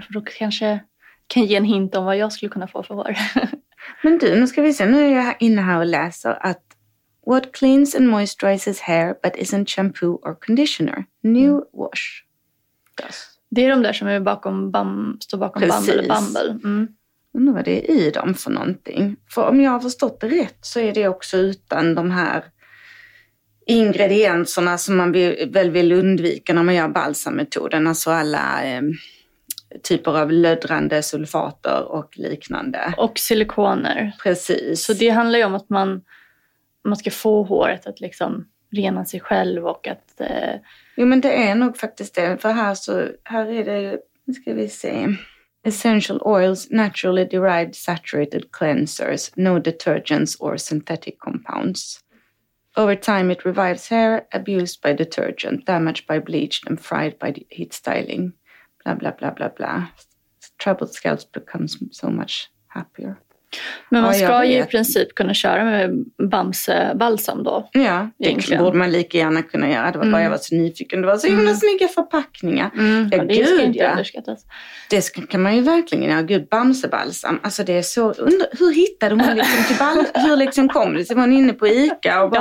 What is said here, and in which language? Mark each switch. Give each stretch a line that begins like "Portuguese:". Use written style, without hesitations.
Swedish: För då kanske kan ge en hint om vad jag skulle kunna få för vår. Men du, nu ska vi se. Nu är jag inne här och läser att...
English: What cleans and moisturizes hair but isn't shampoo or conditioner? New wash.
Swedish: Det är de där som är bakom står bakom Bumble. Mm. Undrar vad det är i dem för någonting. För om jag har förstått det rätt så är det också utan de här ingredienserna som man väl vill undvika när man gör balsammetoden. Alltså alla typer av löddrande sulfater och liknande. Och silikoner. Precis. Så det handlar ju om att man ska få håret att liksom rena sig själv och att... Jo, men det är nog faktiskt det. För här är det, nu ska vi se.
English: Essential oils, naturally derived saturated cleansers, no detergents or synthetic compounds. Over time it revives hair, abused by detergent, damaged by bleached and fried by heat styling. Bla bla bla bla bla. Troubled scalps becomes so much happier.
Swedish: Men man ska ju i princip kunna köra med Bamse balsam då. Ja, egentligen. Det borde man lika gärna kunna göra. Det var bara jag var så nyfiken. Det var så himla snygga förpackningar. Mm. Ja, det ska inte underskattas. Det kan man ju verkligen göra. Gud, Bamse balsam. Alltså det är så... Hur hittade hon liksom till balsam? Hur liksom kom det? Så var hon inne på ICA och bara...